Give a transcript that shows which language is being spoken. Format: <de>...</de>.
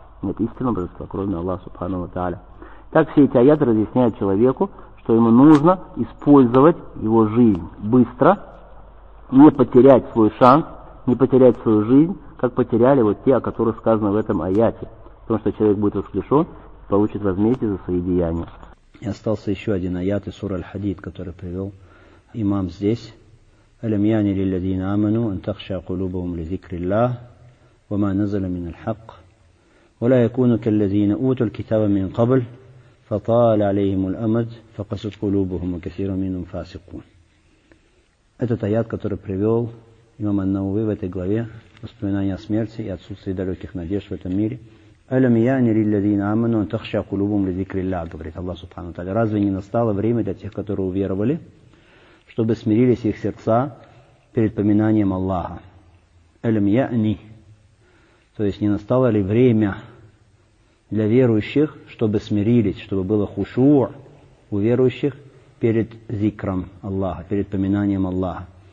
<ru>Нет истинного божества, кроме Аллаха, субхану ва тааля. Так все эти аяты разъясняют человеку, что ему нужно использовать его жизнь быстро, не потерять свой шанс, не потерять свою жизнь, как потеряли вот те, о которых сказано в этом аяте. Потому что человек будет воскрешен, получит возмездие за свои деяния. И остался еще один аят из суры Аль-Хадид, который привел имам здесь.</ru> <ar>«Алям яни лилладзина аману ан тахша кулубахум ли зикри Аллах, ва ма назала мин аль-хак». ولا يكون كالذين أوتوا الكتاب من قبل فطال عليهم الأمد فقست قلوبهم وكثير منهم فاسقون.</ar> <ru>Этот аят, который привел имам ан-Науви в этой главе, воспоминание о смерти и отсутствии далеких надежд в этом мире.</ru> <ar>ألم يعني للذين آمنوا أن تخشى قلوبهم لذكر الله,</ar> <ru>говорит Аллах Субхану Тааля. Разве не настало время для тех, которые уверовали, чтобы смирились их сердца перед поминанием Аллаха?</ru> <ar>ألم يعني.</ar> <ru>То есть не настало ли время для верующих, чтобы смирились, чтобы было хушуа у верующих перед зикром Аллаха, перед поминанием Аллаха.</ru>